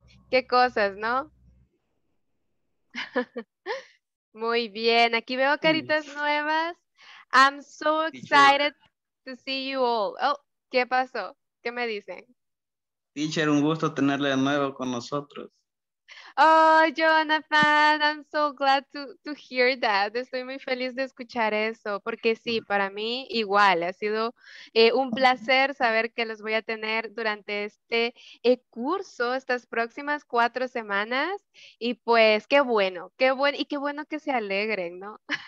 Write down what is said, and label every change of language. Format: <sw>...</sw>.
<es>Qué cosas, ¿no? Muy bien. Aquí veo caritas nuevas.</es> <en>I'm so excited to see you all.</en> <es>Oh, ¿qué pasó? ¿Qué me dicen? Teacher, un gusto tenerle de nuevo con nosotros.</es> <en>Oh, Jonathan, I'm so glad to hear that.</en> <es>Estoy muy feliz de escuchar eso, porque sí, para mí igual. Ha sido un placer saber que los voy a tener durante este curso, estas próximas 4 semanas. Y pues, qué bueno, qué bueno. Y qué bueno que se alegren, ¿no?</es>